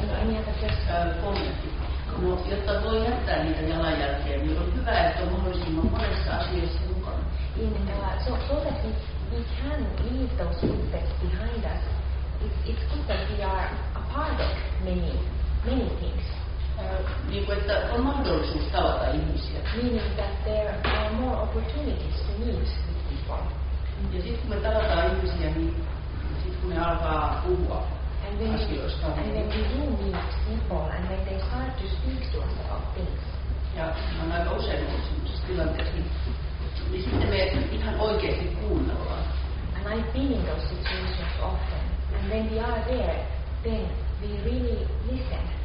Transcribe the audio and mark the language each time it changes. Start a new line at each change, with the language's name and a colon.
Finnish: Jotta voi jättää niitä jalanjälkeä, niin on hyvä, että on mahdollisimman monessa asiassa.
English: So that we can leave those footsteps behind us, it's good that we are a part of many things. Meaning that there are more opportunities to meet with people.
Finnish: Ja sit kun me tavataan ihmisiä, niin sit kun me alkaa puhua asioista.
English: And when we do meet people, and when they start to speak to us about things.
Finnish: Ja mä oon aika usein ollut semmoisessa tilanteessa. Niin sitten me ihan oikeasti kuunnellaan.
English: And I've been in those situations often. And when we are there, then we really listen.